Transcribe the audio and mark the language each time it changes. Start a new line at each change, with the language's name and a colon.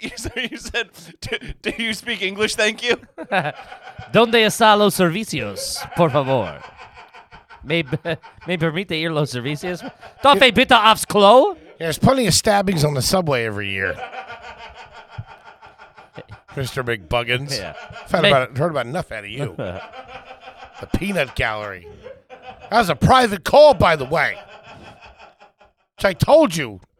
English: You said, do you speak English, thank you?
Spanish: Donde está los servicios, por favor? Me permite ir los servicios? Tofe pita afs clo?
English: There's plenty of stabbings on the subway every year. Mr. McBuggins. Yeah. Heard about enough out of you. The peanut gallery. That was a private call, by the way. Which I told you.